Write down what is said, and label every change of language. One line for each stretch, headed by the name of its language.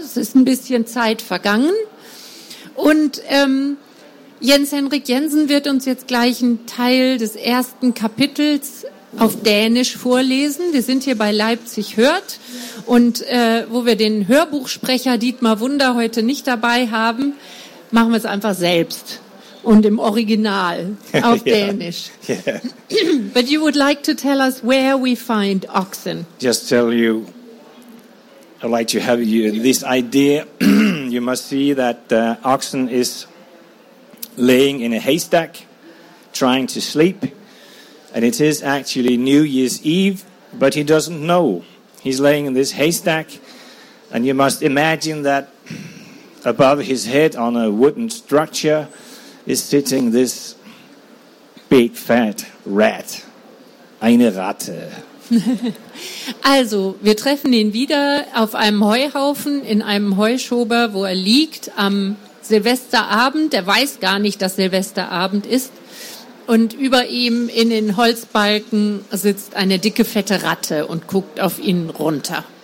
German: Es ist ein bisschen Zeit vergangen. Und Jens-Henrik Jensen wird uns jetzt gleich einen Teil des ersten Kapitels auf Dänisch vorlesen. Wir sind hier bei Leipzig Hört und wo wir den Hörbuchsprecher Dietmar Wunder heute nicht dabei haben, machen wir es einfach selbst und im Original auf Dänisch.
English: Yeah. But you would like to tell us where we find Ochsen. Just tell you, I'd like to have you this idea. You must see that Ochsen is laying in a haystack trying to sleep. And it is actually New Year's Eve, but he doesn't know. He's laying in this haystack, and you must imagine that above his head on a wooden structure is sitting this big fat rat.
German: Eine Ratte. Also, wir treffen ihn wieder auf einem Heuhaufen, in einem Heuschober, wo er liegt am Silvesterabend. Er weiß gar nicht, dass Silvesterabend ist. Und über ihm in den Holzbalken sitzt eine dicke, fette Ratte und guckt auf ihn runter.